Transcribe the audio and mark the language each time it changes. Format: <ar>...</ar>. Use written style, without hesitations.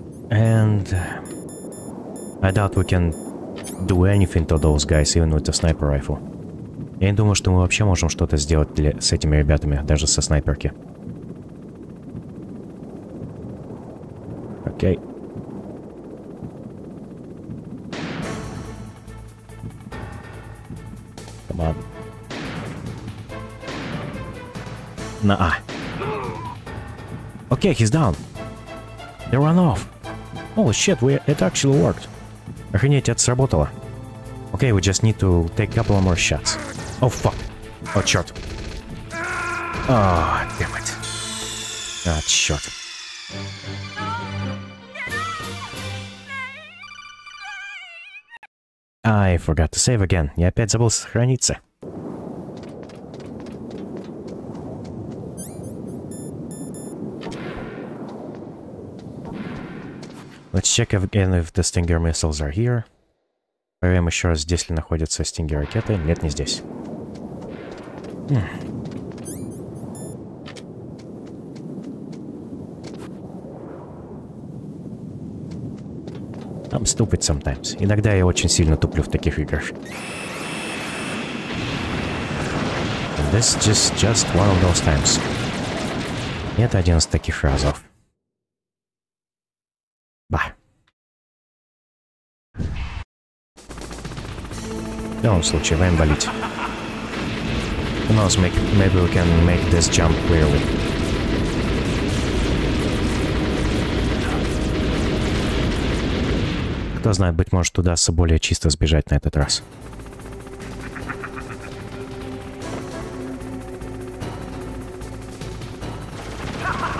<en>And I doubt we can do anything to those guys, even with the sniper rifle.</en> <ru>Я не думаю, что мы вообще можем что-то сделать для, с этими ребятами, даже со снайперки. Окей.</ru> <en>Come on. На-а. Окей, he's down. They run off. Holy shit, it actually worked.</en> <ru>Охренеть, это сработало.</ru> <en>Okay, we just need to take a couple more shots. Oh, fuck. Oh,</en> <ru>черт.</ru> <en>Oh, damn it. Ah, oh,</en> <ru>черт.</ru> <en>I forgot to save again.</en> <ru>Я опять забыл сохраниться.</ru> <en>Let's check again if the Stinger missiles are here.</en> <ru>Проверим еще раз, здесь ли находятся Stinger ракеты. Нет, не здесь. Hmm.</ru> <en>I'm stupid sometimes.</en> <ru>Иногда я очень сильно туплю в таких играх.</ru> <en>And this is just one of those times.</en> <ru>И это один из таких разов. Bah. В любом случае, вам болит.</ru> <en>Who knows, maybe we can make this jump really.</en> <ru>Кто знает, быть может, удастся более чисто сбежать на этот раз. Ha!</ru>